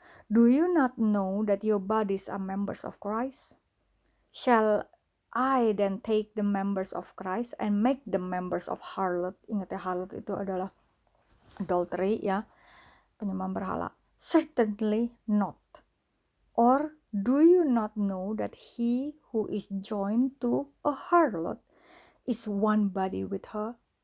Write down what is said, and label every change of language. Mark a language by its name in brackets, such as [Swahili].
[English] Do you not know that your bodies are members of Christ? Shall I then take the members of Christ and make them members of harlot? [Indonesian] Ingat ya, harlot itu adalah adultery ya, penyembahan berhala. [English] Certainly not. Or do you not know that he who is joined to a harlot is one body with her?